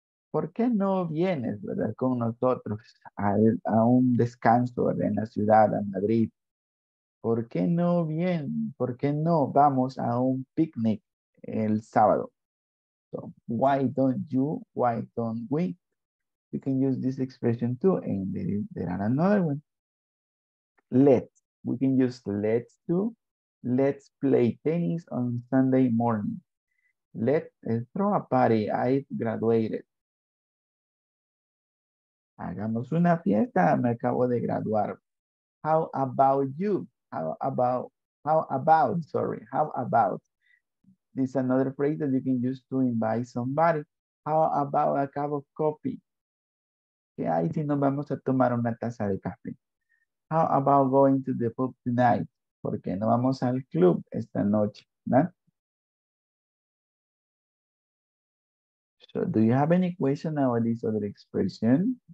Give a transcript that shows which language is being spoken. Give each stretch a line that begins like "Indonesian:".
Spanish: ¿Por qué no vienes, verdad, con nosotros a un descanso, ¿verdad? En la ciudad, a Madrid? ¿Por qué no vienes? ¿Por qué no vamos a un picnic el sábado?
English: So, why don't you? Why don't we? You can use this expression too, and there are another one. Let's. We can use let's too. Let's play tennis on Sunday morning. Let's throw a party. I've graduated.
Spanish: Hagamos una fiesta. Me acabo de graduar.
English: How about you? How about? This is another phrase that you can use to invite somebody. How about a cup of coffee?
Spanish: ¿Qué hay si nos vamos a tomar una taza de café?
English: How about going to the pub tonight?
Spanish: ¿Por qué no vamos al club esta noche? ¿No?
English: So, do you have any question about this other expression?